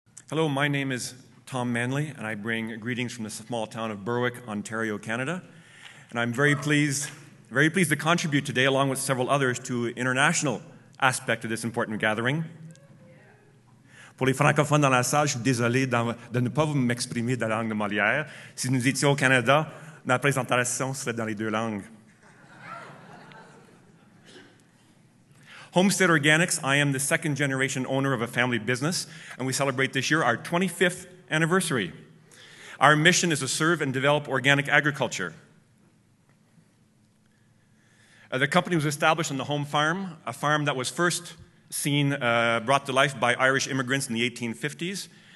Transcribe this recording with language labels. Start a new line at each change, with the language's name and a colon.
English: Hello, my name is Tom Manley, and I bring greetings from the small town of Berwick, Ontario, Canada. And I'm very pleased to contribute today, along with several others, to the international aspect of this important gathering.
French: Pour les francophones dans la salle, je suis désolé de ne pas m'exprimer de la langue de Molière. Si nous étions au Canada, ma présentation serait dans les deux langues.
English: Homestead Organics, I am the second generation owner of a family business, and we celebrate this year our 25th anniversary. Our mission is to serve and develop organic agriculture. The company was established on the home farm, a farm that was first seen, brought to life by Irish immigrants in the 1850s.